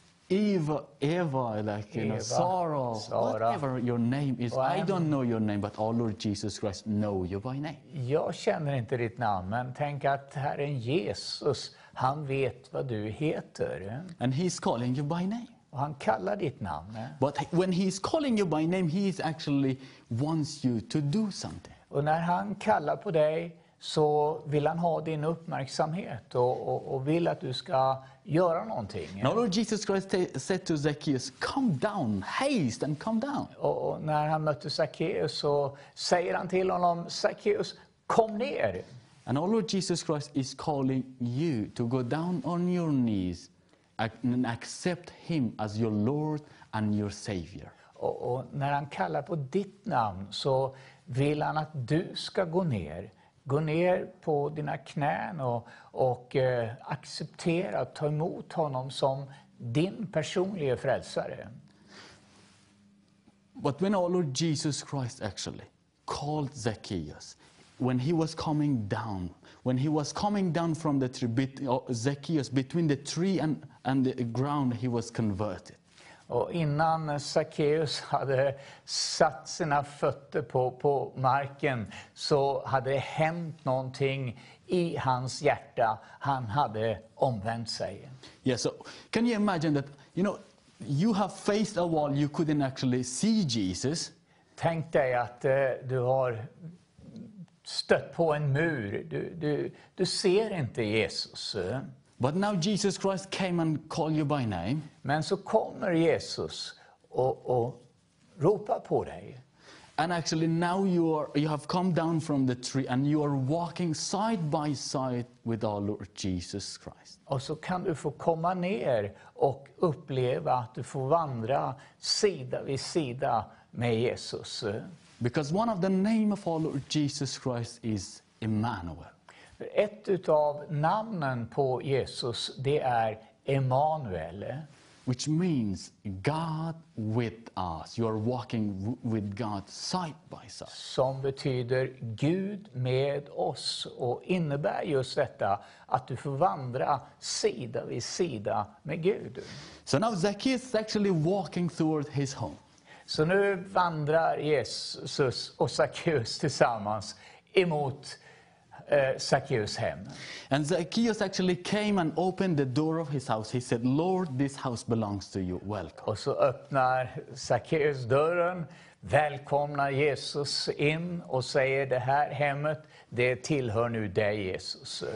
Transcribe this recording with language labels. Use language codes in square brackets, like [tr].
[en] Eva, like, you know, Sara, whatever your name is. I don't know your name, but our Lord Jesus Christ know you by name. [sv] Jag känner inte ditt namn, men tänk att Herren Jesus, han vet vad du heter. [en] And he's calling you by name. [sv] Och han kallar ditt namn. [en] But when he's calling you by name, he actually wants you to do something. [sv] Och när han kallar på dig så vill han ha din uppmärksamhet och vill att du ska göra någonting. [en] Now Lord Jesus Christ said to Zacchaeus, come down, haste and come down. [sv] Och när han mötte Zacchaeus så säger han till honom, Zacchaeus, kom ner. [en] And our Lord Jesus Christ is calling you to go down on your knees and accept him as your Lord and your Savior. [sv] Och när han kallar på ditt namn så vill han att du ska gå ner på dina knän och acceptera att ta emot honom som din personliga frälsare. [en] But when our Lord Jesus Christ actually called Zacchaeus, when he was coming down, when he was coming down from the Zacchaeus between the tree and the ground, he was converted. [sv] Och innan Zacchaeus hade satt sina fötter på marken så hade det hänt någonting i hans hjärta. Han hade omvänt sig. [en] Yeah, so can you imagine that, you know, you have faced a wall, you couldn't actually see Jesus. [sv] Tänk dig att du har stött på en mur. Du ser inte Jesus. [en] But now Jesus Christ came and called you by name. [sv] Men så kommer Jesus och ropar på dig. [en] And actually now you have come down from the tree and you are walking side by side with our Lord Jesus Christ. [sv] Och så kan du få komma ner och uppleva att du får vandra sida vid sida med Jesus. [en] Because one of the name of our Lord Jesus Christ is Emmanuel. [sv] Ett utav namnen på Jesus, det är Emmanuel. [en] Which means God with us. You are walking with God side by side. [sv] Som betyder Gud med oss och innebär just detta, att du får vandra sida vid sida med Gud. [en] So now Zacchaeus is actually walking toward his home. [sv] Så nu vandrar Jesus och Zacchaeus tillsammans emot Zacchaeus hem. [en] And Zacchaeus actually came and opened the door of his house. He said, Lord, this house belongs to you. Welcome. [sv] Och så öppnar Zacchaeus dörren, välkomnar Jesus in och säger, det här hemmet, det tillhör nu dig, Jesus.